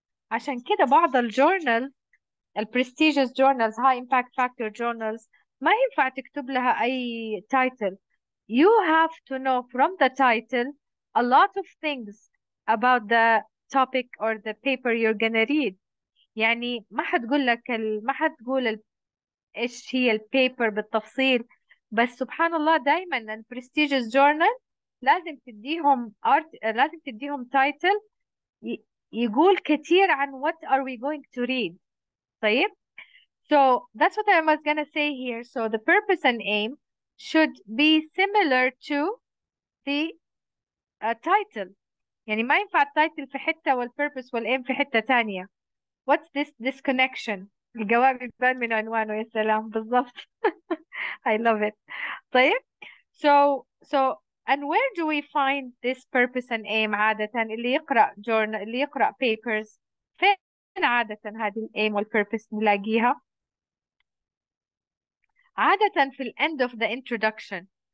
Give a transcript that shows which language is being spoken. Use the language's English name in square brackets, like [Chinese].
[Arabic] عشان كده بعض الجورنال, البرستيجيوس جورنالز, هاي امباكت فاكتور جورنالز, ما ينفع تكتب لها اي تايتل. [English] You have to know from the title a lot of things about the topic or the paper you're gonna read. [Arabic] يعني ما حتقول لك ما حتقول ايش هي البيبر بالتفصيل, بس سبحان الله دائما البرستيجيوس جورنال لازم تديهم لازم تديهم تايتل يقول كثير عن [English] what are we going to read. طيب, so that's what I was gonna say here. So the purpose and aim should be similar to the title. [Arabic] يعني ما ينفع التايتل في حتة والpurpose والaim في حتة تانية. [English] What's this disconnection؟ [Arabic] الجواب يبان من عنوانه. يا سلام, بالضبط. [English] I love it. طيب, so and where do we find this purpose and aim [Arabic] عادة؟ اللي يقرأ journal, اللي يقرأ papers, فين عادة هذه الaim والpurpose نلاقيها؟ عادة في ال [English] end of the introduction.